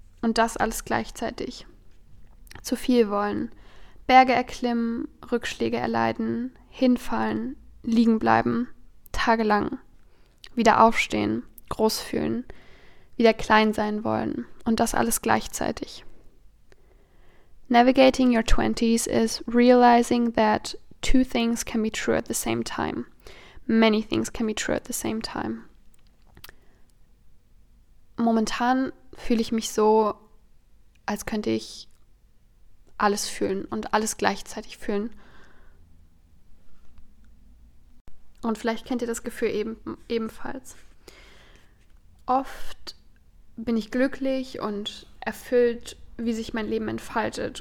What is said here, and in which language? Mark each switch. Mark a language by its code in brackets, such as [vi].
[de] Und das alles gleichzeitig. Zu viel wollen. Berge erklimmen. Rückschläge erleiden. Hinfallen. Liegen bleiben. Tagelang. Wieder aufstehen. Groß fühlen. Wieder klein sein wollen. Und das alles gleichzeitig. [en] Navigating your 20s is realizing that two things can be true at the same time. Many things can be true at the same time. [de] Momentan fühle ich mich so, als könnte ich alles fühlen und alles gleichzeitig fühlen. Und vielleicht kennt ihr das Gefühl ebenfalls. Oft bin ich glücklich und erfüllt, wie sich mein Leben entfaltet.